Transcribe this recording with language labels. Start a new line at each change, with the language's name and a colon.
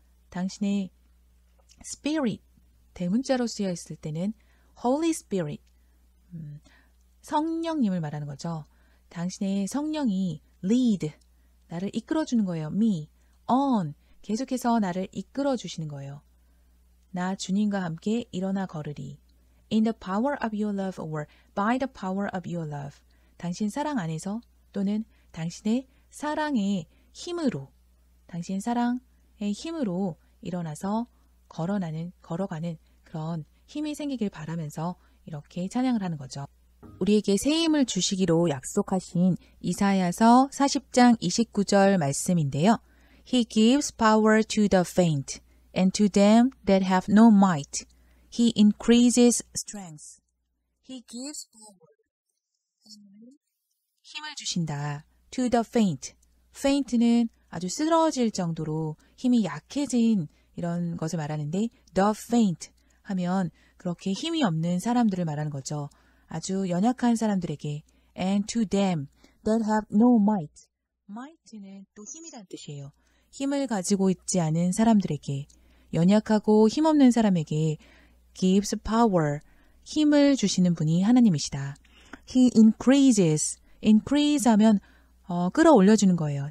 Korean: 당신의 spirit 대문자로 쓰여 있을 때는 Holy Spirit 성령님을 말하는 거죠. 당신의 성령이 lead 나를 이끌어주는 거예요.
English: Me on
Korean: 계속해서 나를 이끌어주시는 거예요. 나 주님과 함께 일어나 걸으리.
English: In the power of your love or by the power of your love.
Korean: 당신 사랑 안에서 또는 당신의 사랑의 힘으로 당신 사랑의 힘으로 일어나서 걸어가는 그런 힘이 생기길 바라면서 이렇게 찬양을 하는 거죠. 우리에게 새 힘을 주시기로 약속하신 이사야서 40장 29절 말씀인데요.
English: He gives power to the faint. And to them that have no might, he increases strength. He gives power. Amen.
Korean: 힘을 주신다.
English: To the faint.
Korean: Faint는 아주 쓰러질 정도로 힘이 약해진 이런 것을 말하는데,
English: the faint
Korean: 하면 그렇게 힘이 없는 사람들을 말하는 거죠. 아주 연약한 사람들에게.
English: And to them that have no might.
Korean: Might는 또 힘이란 뜻이에요. 힘을 가지고 있지 않은 사람들에게. 연약하고 힘없는 사람에게
English: gives power,
Korean: 힘을 주시는 분이 하나님이시다.
English: He increases,
Korean: increase 하면 끌어올려주는 거예요.